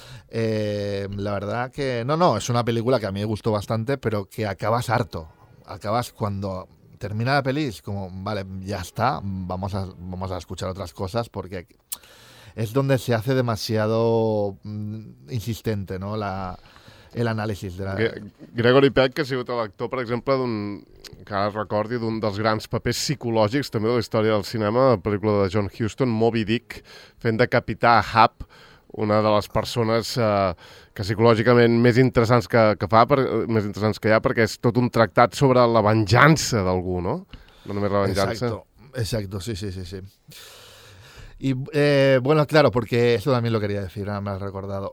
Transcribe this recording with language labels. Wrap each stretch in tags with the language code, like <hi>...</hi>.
<es>La verdad que, no, es una película que a mí me gustó bastante, pero que acabas harto. Acabas cuando termina la peli, es como, vale, ya está, vamos a escuchar otras cosas, porque es donde se hace demasiado insistente, ¿no? El análisis de la...</es> <ca>Gregory Peck, que ha sigut l'actor, per exemple, d'un, que ara recordi, d'un dels grans papers psicològics també de la història del cinema, la pel·lícula de John Huston, Moby Dick, fent de capità Hap, una de les persones que psicològicament més interessants que fa, més interessants que hi ha, perquè és tot un tractat sobre la venjança d'algú, no? No només la venjança.</ca> <es>Exacto, sí. Y bueno, claro, porque eso también lo quería decir, ahora me has recordado.</es>